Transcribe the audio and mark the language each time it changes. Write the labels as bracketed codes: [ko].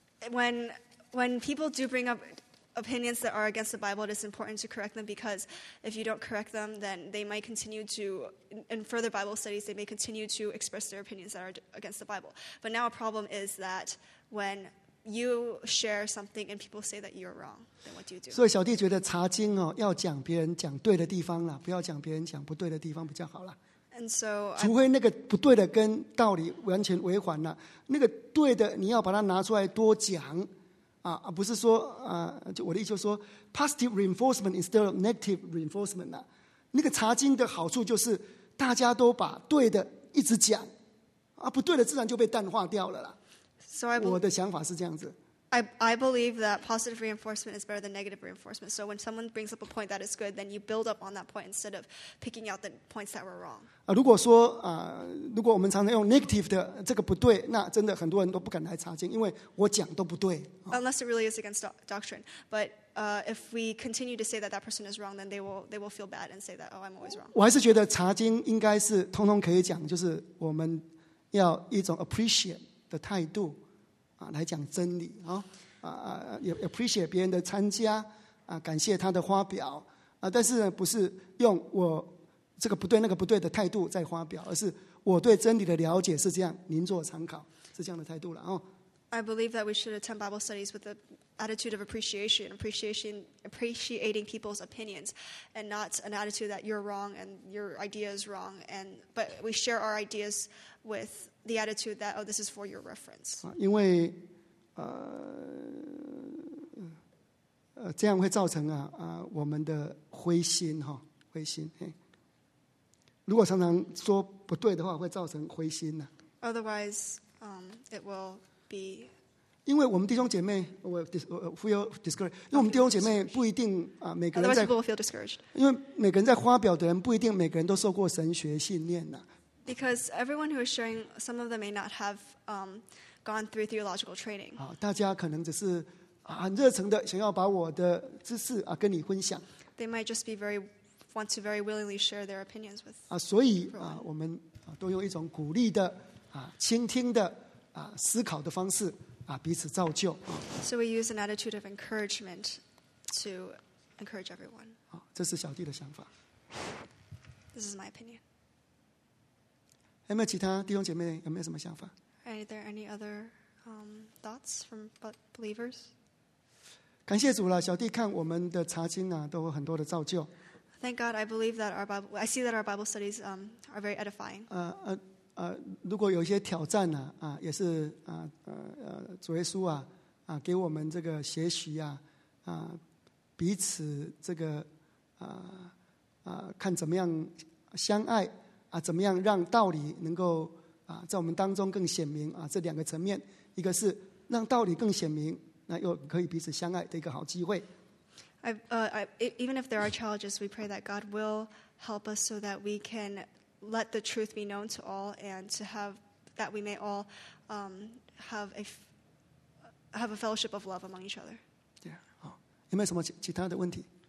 [en] when people do bring up opinions that are against the Bible, it is important to correct them, because if you don't correct them, then they might continue to, in further Bible studies, they may continue to express their opinions that are against the Bible. But now a problem is that when you share something and people say that you're wrong, then what do you do? [zh] 所以小弟觉得查经哦，要讲别人讲对的地方啦，不要讲别人讲不对的地方比较好啦。 [en] And so, [zh] 除非那个不对的跟道理完全违反了，那个对的你要把它拿出来多讲。啊、不是说、就我的意思就是说 [en] positive reinforcement instead of negative reinforcement、 [zh] 啊、那个查经的好处就是大家都把对的一直讲、啊、不对的自然就被淡化掉了啦、 [en] so、 [zh] 我的想法是这样子 [en] I believe that positive reinforcement is better than negative reinforcement, so when someone brings up a point that is good, then you build up on that point instead of picking out the points that were wrong、 [zh] 如果说、如果我们常常用 negative 的这个不对，那真的很多人都不敢来查经，因为我讲都不对 [en] Unless it really is against doctrine. But、if we continue to say that that person is wrong, then they will feel bad and say that, oh, I'm always wrong. [zh] 我还是觉得查经应该是通通可以讲，就是我们要一种 appreciate 的态度、啊、来讲真理、哦啊、也 appreciate 别人的参加、啊、感谢他的发表、啊、但是不是用我这个不对那个不对的态度在发表，而是我对真理的了解是这样，您做参考，是这样的态度了、哦 [en] I believe that we should attend Bible studies with an attitude of appreciating people's opinions, and not an attitude that you're wrong and your idea is wrong. But we share our ideas with the attitude that, oh, this is for your reference. [zh] 因为这样会造成啊啊我们的灰心哈灰心嘿。如果常常说不对的话，会造成灰心呢。 [en] Otherwise, it will. [zh] 因为我们弟兄姐妹 我 [en] feel discouraged [zh] 因为我们弟兄姐妹不一定、啊、每个人在 [en] people will feel discouraged. [zh] 因为每个人在发表的人不一定每个人都受过神学训练、啊、 [en] Because everyone who is sharing some of them may not have gone through theological training、 [zh] 啊、大家可能只是、啊、很热诚的想要把我的知识、啊、跟你分享 [en] They might just be very want to very willingly share their opinions with、 [zh] 啊、所以、啊、我们都用一种鼓励的、啊、倾听的啊、思考的方式、啊、彼此造就 [en] So we use an attitude of encouragement to encourage everyone、 [zh] 啊、这是小弟的想法 [en] This is my opinion [zh] 有没有其他弟兄姐妹有没有什么想法 [en] Are there any other thoughts from believers? [zh] 感谢主了小弟看我们的查经、啊、都有很多的造就 [en] Thank God I believe that our Bible I see that our Bible studies are very edifying [zh] 如果有一些挑战呢、啊，啊，也是啊，主耶稣啊，啊，给我们这个学习啊，啊，彼此这个啊啊，看怎么样相爱啊，怎么样让道理能够啊，在我们当中更显明啊，这两个层面，一个是让道理更显明，那又可以彼此相爱的一个好机会。 [en] Even if there are challenges, we pray that God will help us so that we can. Let the truth be known to all, and to have that we may all have a fellowship of love among each other. Yeah. [zh] Oh, 有没有什么其他的问题